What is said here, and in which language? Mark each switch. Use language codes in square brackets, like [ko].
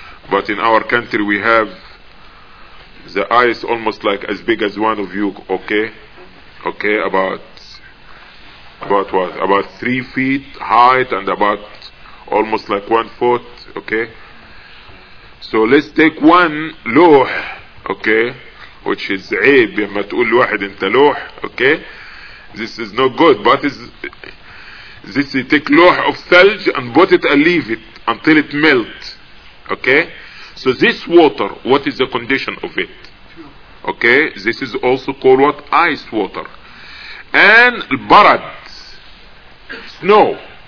[en] But in our country we have the eyes almost like as big as one of you, okay? Okay, about what? About 3 feet height and about almost like 1 foot, okay? So let's take one loh, okay? Which is [ar] عيب لما تقول لواحد انت لوح, okay? [en] This is not good, but this you take loh of thalj and put it and leave it until it melt, okay? So this water, what is the condition of it? Okay, this is also called what? Ice water. And barad, snow.